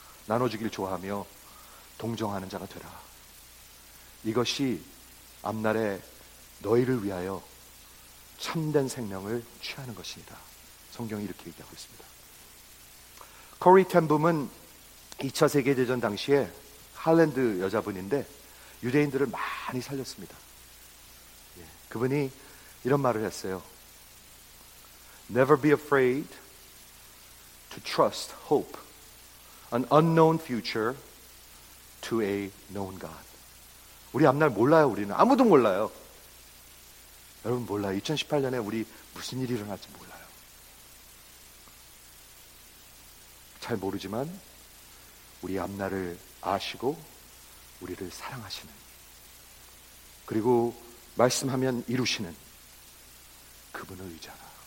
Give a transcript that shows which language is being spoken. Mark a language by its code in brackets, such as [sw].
[ko] 나눠주길 좋아하며 동정하는 자가 되라. 이것이 앞날에 너희를 위하여 참된 생명을 취하는 것이니라. 성경이 이렇게 얘기하고 있습니다. 코리 텐 붐은 2차 세계대전 당시에 할랜드 여자분인데 유대인들을 많이 살렸습니다. 그분이 이런 말을 했어요. [en] Never be afraid to trust hope, an unknown future to a known God. [ko] 우리 앞날 몰라요. 우리는 아무도 몰라요. 여러분 몰라요. 2018년에 우리 무슨 일이 일어날지 몰라요. 잘 모르지만 우리 앞날을 아시고 우리를 사랑하시는 그리고 말씀하면 이루시는 그분을 의지하라.